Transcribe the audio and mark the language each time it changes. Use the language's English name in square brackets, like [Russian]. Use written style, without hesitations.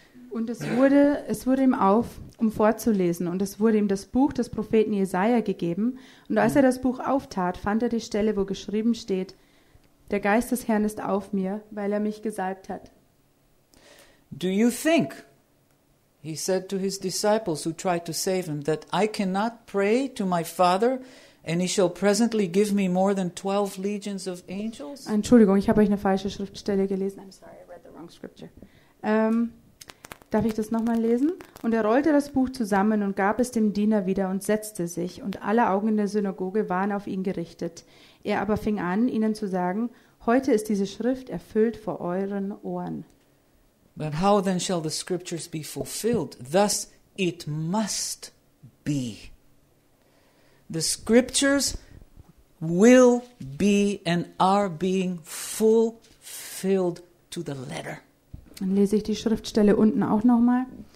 [German] Und es wurde ihm auf, um vorzulesen, und es wurde ihm das Buch des Propheten Jesaja gegeben. Und als er das Buch auftat, fand er die Stelle, wo geschrieben steht, der Geist des Herrn ist auf mir, weil er mich gesalbt hat. [English] Do you think He said to his disciples who tried to save him that I cannot pray to my Father and he shall presently give me more than 12 legions of angels. [German] Entschuldigung, ich habe euch eine falsche Schriftstelle gelesen. [English] I'm sorry, I read the wrong scripture. [German] Darf ich das nochmal lesen? Und er rollte das Buch zusammen und gab es dem Diener wieder und setzte sich, und alle Augen in der Synagoge waren auf ihn gerichtet. Er aber fing an, ihnen zu sagen, heute ist diese Schrift erfüllt vor euren Ohren. [English] But how then shall the scriptures be fulfilled? Thus it must be. The scriptures will be and are being fulfilled to the letter. [German] Dann lese ich die Schriftstelle unten auch nochmal.